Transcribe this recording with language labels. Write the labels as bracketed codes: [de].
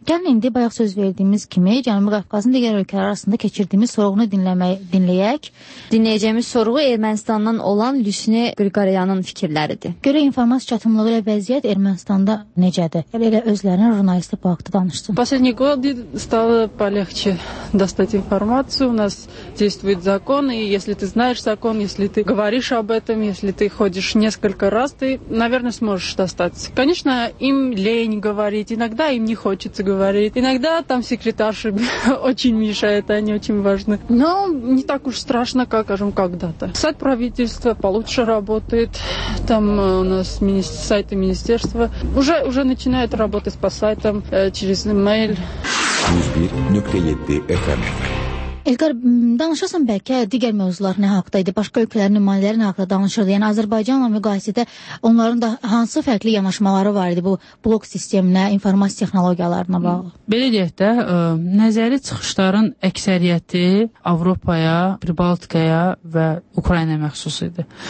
[az] Gəlin indi bayaq söz verdiyimiz kimi Cənubi Qafqazın digər ölkələr arasında keçirdiyimiz sorğunu dinləyək. Dinləyəcəyimiz sorğu Ermənistandan olan Lüsni Qriqoryanın fikirləridir. Görək informasiya çatımlığı ilə vəziyyət Ermənistanda necədir? Elə özlərinə jurnalistə bu haqda danışsın. [ru] Последние годы стало полегче достать информацию. У нас действует закон, и если ты знаешь закон, если ты говоришь об этом, если ты ходишь несколько раз, ты, наверное, сможешь достаться. Конечно, им лень говорить, иногда им не хочется говорить, иногда там секретарши очень мешает, они очень важны. Но не так уж страшно, как, скажем, когда-то. Сайт правительства получше работает. Там у нас сайты министерства. Уже начинают работать по сайтам через email. 101.7 FM. [az] Elqar, danışasın bəlkə digər mövzular nə haqdaydı, başqa ölkələrin nümayəndələri nə haqda danışırdı? Yəni, Azərbaycanla müqayisədə onların da hansı fərqli yanaşmaları var idi bu blok sisteminə, informasiya texnologiyalarına bağlı? Belə deyək də, nəzəri çıxışların əksəriyyəti Avropaya, Baltikaya və Ukrayna məxsus idi.